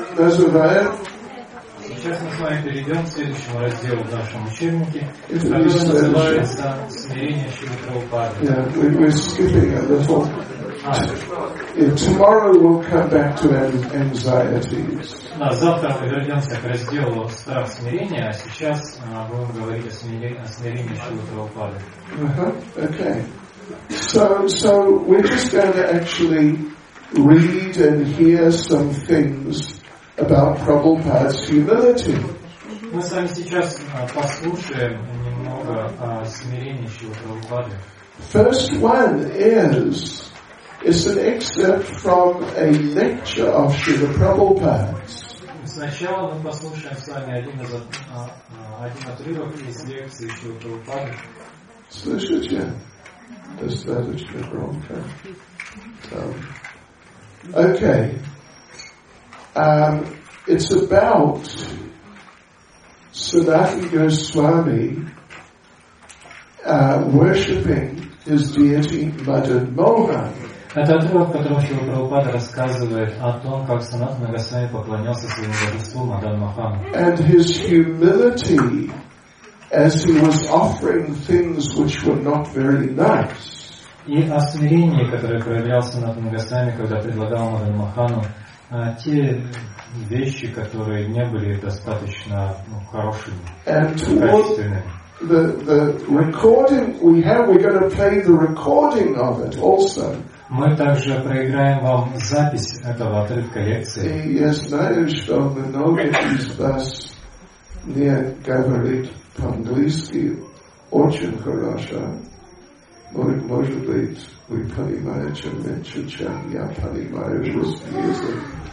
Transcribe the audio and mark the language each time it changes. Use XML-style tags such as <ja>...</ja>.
<ru>Сейчас мы с вами перейдем к следующему разделу в нашем учебнике, который называется «Смирение Шрилы Прабхупады».</ru> <en>We're skipping a little. Tomorrow we'll come back to anxieties.</en> <ru>Да, завтра мы вернемся к разделу «Страх смирения», а сейчас будем говорить о смирении Шрилы Прабхупады.</ru> <en>Okay. So we're just going to actually read and hear some things about Prabhupada's humility.</en> <ru>Мы с вами сейчас послушаем немного о смирении Шрилы Прабхупады.</ru> <en>First one is, it's an excerpt from a lecture of Srila Prabhupada's.</en> <ru>Сначала мы послушаем с вами один отрывок из лекции Шрилы Прабхупады. Слышите?</ru> <en>Is that a Srila Prabhupada? Okay. It's about Sanatana Goswami worshipping his deity Madan Mohan.</en> <ru>Это отрывок, в котором Шрила Прабхупада рассказывает о том, как Санатана Госвами поклонялся своему божеству Мадан Мохан.</ru> <en>And his humility as he was offering things which were not very nice.</en> <ru>И о смирении, которое проявлял Санатана Госвами, когда предлагал Мадан Мохану те вещи, которые не были достаточно хорошими, качественными.</ru> <en>The recording we have, we're going to play the recording of it also.</en> <ru>Мы также проиграем вам запись этого отрывка лекции. Я знаю, что многие из вас не говорят по-английски очень хорошо. Может быть, вы понимаете меньше, чем я понимаю русский язык.</ru>